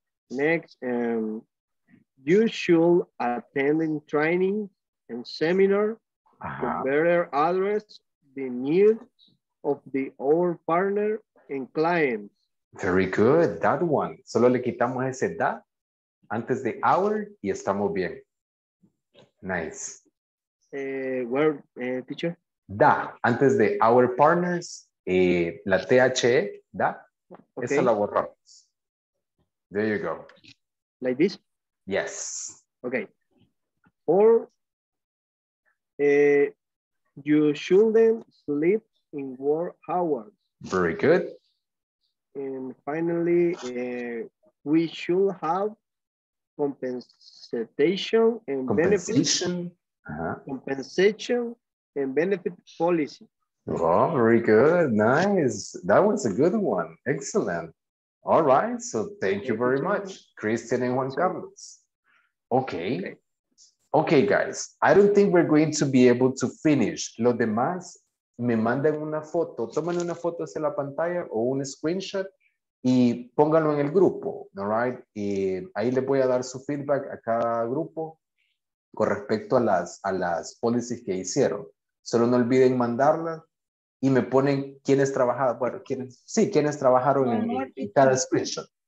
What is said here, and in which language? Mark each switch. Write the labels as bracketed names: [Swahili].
[English] Next, you should attend in training and seminar to better address the needs of the old partner and clients. Very good, that one. [Spanish] Solo le quitamos ese da antes de hour y estamos bien. [English] Nice. Where, teacher? [Spanish] Da, antes de [English] our partners, [Spanish] la THE, da, okay. Esa la borramos. [English] There you go. Like this? Yes. Okay. Or You shouldn't sleep in war hours. Very good. And finally, we should have compensation and compensation. Compensation and benefit policy. Oh, very good. Nice. That was a good one. Excellent. All right. So thank you very much, Christian and Juan Carlos. Okay. Okay, guys. I don't think we're going to be able to finish. [Spanish] Los demás me mandan una foto. Tómenle una foto hacia la pantalla o un screenshot y pónganlo en el grupo. [English] All right. [Spanish] Y ahí les voy a dar su feedback a cada grupo con respecto a las policies que hicieron. Solo no olviden mandarlas. Y me ponen quiénes trabajaron, bueno, quiénes trabajaron en cada screenshot.